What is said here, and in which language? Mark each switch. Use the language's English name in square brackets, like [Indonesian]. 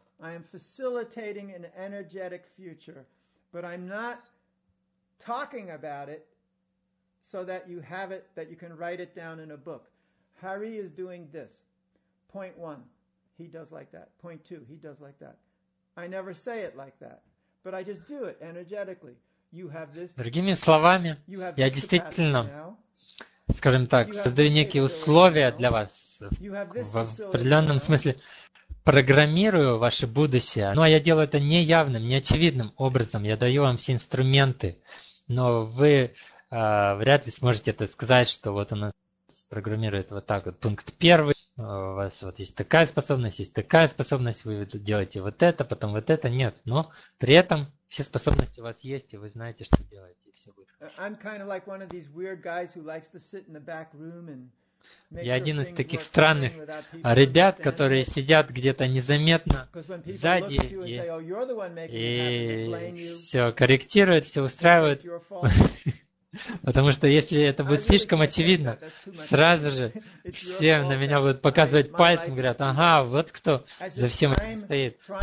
[English] I am facilitating an energetic future, but I'm not talking about it so that you have it, that you can write it down in a book. Hari is doing this. Point one, he does like that. Point two, he does like that. I never say it like that, but I just do it energetically. You have this. [Russian] Другими словами, я действительно, скажем так, создаю некие условия для вас. В определенном смысле программирую ваше будущее. Ну, а я делаю это неявным, неочевидным образом. Я даю вам все инструменты. Но вы вряд ли сможете это сказать, что вот у нас программирует вот так вот. Пункт первый. У вас вот есть такая способность, вы делаете вот это, потом вот это. Нет, но при этом все способности у вас есть, и вы знаете, что делаете, и все будет хорошо. [English] I'm kind of like one of these weird guys who likes to sit in the back room and... [Russian] Я один из таких странных ребят, которые сидят где-то незаметно сзади и все корректируют, все устраивают. Потому что если это будет слишком очевидно, сразу же все на меня будут показывать пальцем, говорят, ага, вот кто за всем этим стоит.